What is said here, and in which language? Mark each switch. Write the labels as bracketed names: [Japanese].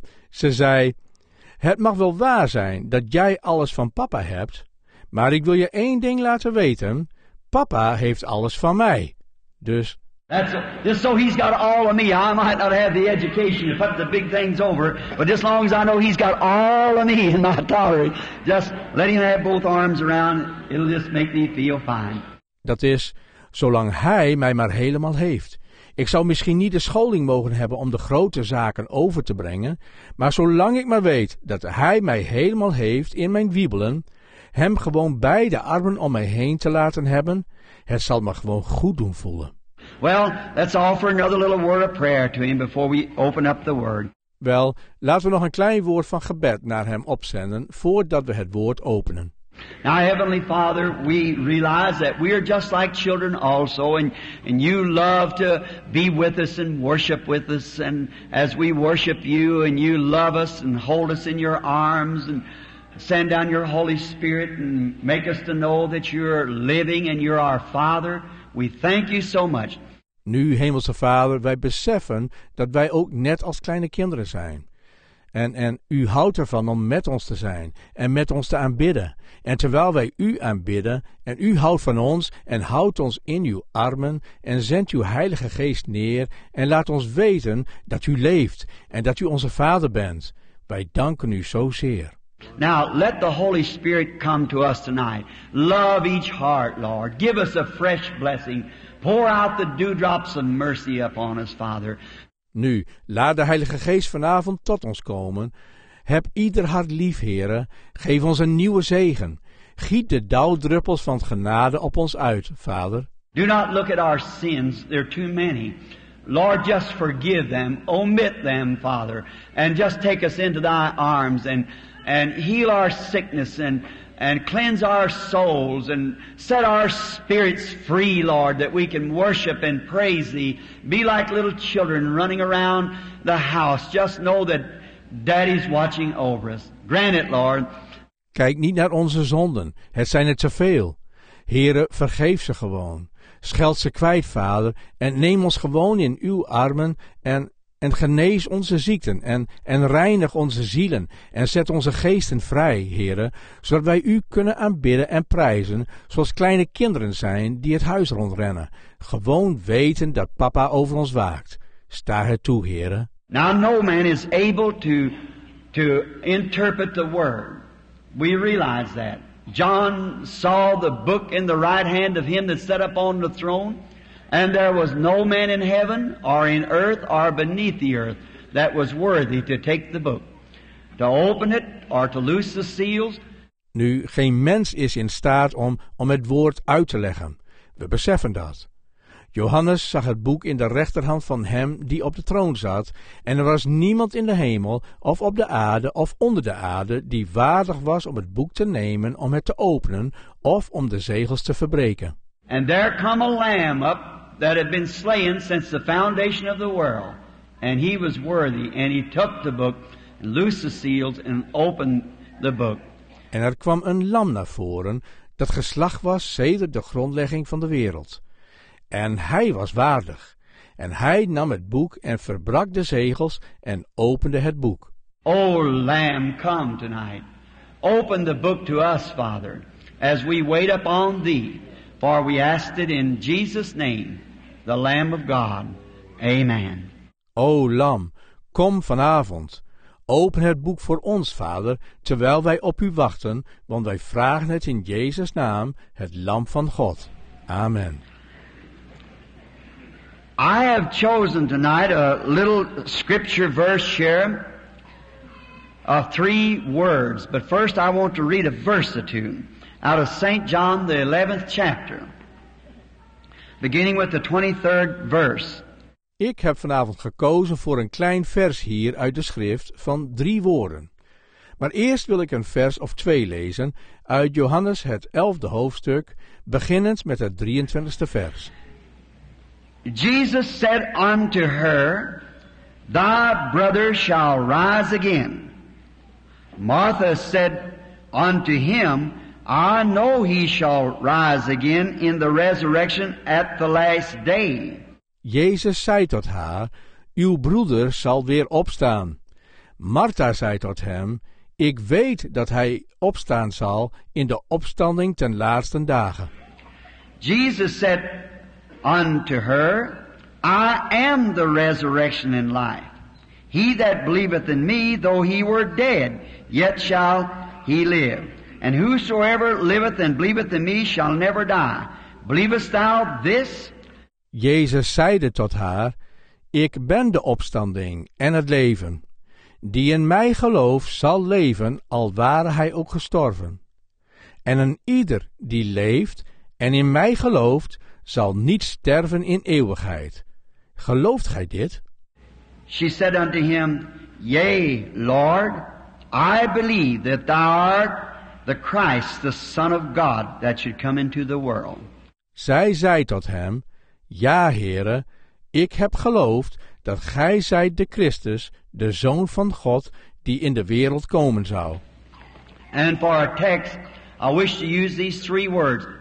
[Dutch] Ze zei, het mag wel waar zijn dat jij alles van papa hebt. Maar ik wil je één ding laten weten. Papa heeft alles van mij. Dus... [English] Just so he's got all of me. I might not have the education to put the big things over, but just as long as I know he's got all of me in my tolerance, just let him have both arms around, it'll just make me feel fine. [Dutch] Dat is, zolang hij mij maar helemaal heeft. Ik zou misschien niet de scholing mogen hebben om de grote zaken over te brengen, maar zolang ik maar weet dat hij mij helemaal heeft in mijn wiebelen, hem gewoon beide armen om mij heen te laten hebben, het zal me gewoon goed doen voelen. [English] Well, let's offer another little word of prayer to him before we open up the word. [Dutch] Wel, laten we nog een klein woord van gebed naar hem opzenden voordat we het woord openen. [English] Now, Heavenly Father, we realize that we are just like children also, and you love to be with us and worship with us, and as we worship you, and you love us and hold us in your arms, and send down your Holy Spirit and make us to know that you're living and you're our Father. We thank you so much. [Dutch] Nu, Hemelse Vader, wij beseffen dat wij ook net als kleine kinderen zijn. En u houdt ervan om met ons te zijn en met ons te aanbidden. En terwijl wij u aanbidden en u houdt van ons en houdt ons in uw armen en zendt uw Heilige Geest neer en laat ons weten dat u leeft en dat u onze Vader bent. Wij danken u zo zeer. [English] Now, let the Holy Spirit come to us tonight. Love each heart, Lord. Give us a fresh blessing. Pour out the dewdrops of mercy upon us, Father. [Dutch] Nu, laat de Heilige Geest vanavond tot ons komen. Heb ieder hart lief, Heere. Geef ons een nieuwe zegen. Giet de dauwdruppels van genade op ons uit, Vader. [English] Do not look at our sins. They're too many. Lord, just forgive them. Omit them, Father. And just take us into thy arms and heal our sickness and cleanse our souls and set our spirits free, Lord, that we can worship and praise thee. Be like little children running around the house. Just know that daddy's watching over us. Grant it, Lord. [Dutch] Kijk niet naar onze zonden. Het zijn er te veel. Heere, vergeef ze gewoon. Scheld ze kwijt, Vader, en neem ons gewoon in uw armen en genees onze ziekten en reinig onze zielen en zet onze geesten vrij, Heere, zodat wij u kunnen aanbidden en prijzen zoals kleine kinderen zijn die het huis rondrennen, gewoon weten dat papa over ons waakt. Sta het toe, Heere. [English] Now no man is able to interpret the word. We realize that. John saw the book in the right hand of him that sat upon the throne. And there was no man in heaven or in earth or beneath the earth that was worthy to take the book, to open it or to loose the seals. [Dutch] Nu, geen mens is in staat om het woord uit te leggen. We beseffen dat. Johannes zag het boek in de rechterhand van hem die op de troon zat, en er was niemand in de hemel of op de aarde of onder de aarde die waardig was om het boek te nemen om het te openen of om de zegels te verbreken. [English] And there come a lamb up that had been slain since the foundation of the world. And he was worthy. And he took the book, and loosed the seals, and opened the book. [Dutch] En er kwam een lam naar voren, dat geslacht was sedert de grondlegging van de wereld. En hij was waardig. En hij nam het boek en verbrak de zegels en opende het boek. [English] O lamb, come tonight. Open the book to us, Father, as we wait upon thee. For we ask it in Jesus' name, the Lamb of God. Amen. [Dutch] O Lam, kom vanavond. Open het boek voor ons, Vader, terwijl wij op u wachten, want wij vragen het in Jezus' naam, het Lam van God. Amen. [English] I have chosen tonight a little scripture verse here of three words, but first I want to read a verse or two. Out of St. John, the 11th chapter, beginning with the 23rd verse. [Dutch] Ik heb vanavond gekozen voor een klein vers hier uit de schrift van drie woorden. Maar eerst wil ik een vers of twee lezen uit Johannes het 11e hoofdstuk, beginnend met het 23e vers. [English] Jesus said unto her, Thy brother shall rise again. Martha said unto him, I know he shall rise again in the resurrection at the last day. [Dutch] Jezus zei tot haar, uw broeder zal weer opstaan. Martha zei tot hem, ik weet dat hij opstaan zal in de opstanding ten laatste dagen. [English] Jesus said unto her, I am the resurrection and life. He that believeth in me, though he were dead, yet shall he live. And whosoever liveth and believeth in me shall never die. Believest thou this? [Dutch] Jezus zeide tot haar, ik ben de opstanding en het leven. Die in mij gelooft zal leven, al ware hij ook gestorven. En een ieder die leeft en in mij gelooft, zal niet sterven in eeuwigheid. Gelooft gij dit? [English] She said unto him, yea, Lord, I believe that thou art the Christ, the Son of God, that should come into the world. [Dutch] Zij zei tot hem, ja, Heere, ik heb geloofd dat gij zijt de Christus, de Zoon van God, die in de wereld komen zou. [English] And for our text, I wish to use these three words.